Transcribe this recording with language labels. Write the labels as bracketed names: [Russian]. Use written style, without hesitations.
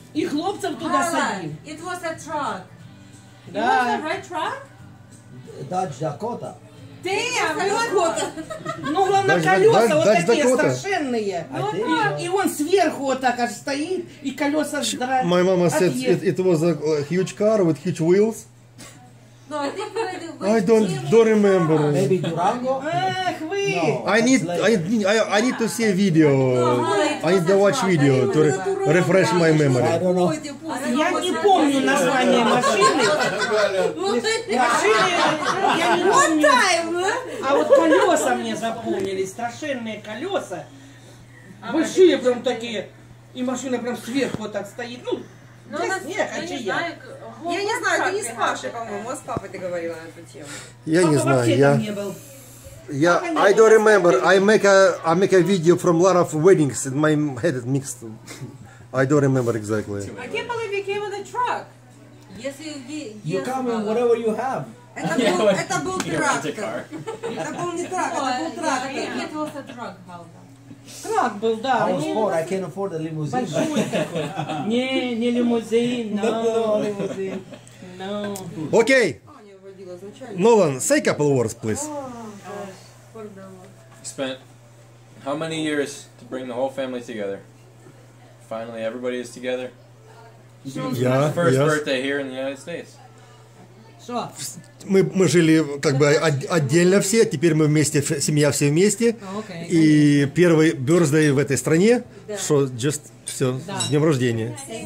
[Russian] И хлопцев туда садили. [English] It was a truck. [Russian] Да. [English] It was a red truck? Dodge Dakota. [Russian] Ну, главное, колеса вот такие страшенные. И он сверху вот так аж стоит, и колеса отъедут. [English] My mama said it was a huge car with huge wheels. I don't remember. Maybe Durango? [Russian] Эх, вы! [English] I need to see a video. I need to watch video to refresh my memory. [Russian] Я не помню название машины. Машины, я не помню. А вот колеса мне запомнились, страшенные колеса. Большие прям такие. И машина прям сверху вот так стоит. Ну, Я не знаю, ты не с Пашей, по-моему, а с папой ты говорила на эту тему. Я не знаю, я... [English] Yeah, I don't remember. I make a video from a lot of weddings and my head is mixed. I don't remember exactly. I can't believe you came in a truck. Yes, you come in whatever you have. [Russian] Это был трактор. Это был не трактор, это был трактор. [English] Yeah. It was a truck, [Russian] Трак был, да. [English] I was poor, I can't afford a limousine. [Russian] Большой такой. Не лимузин, no. [English] No лимузин. No. Okay. Nolan, say a couple of words, please. Spent how many years to bring the whole family together? Finally, everybody is together. Yeah, first yes. birthday here in the United States. So. [Russian] Мы жили как бы отдельно все, теперь мы вместе, семья все вместе. [English] Okay. [Russian] И первый birthday в этой стране, что just все с днем рождения.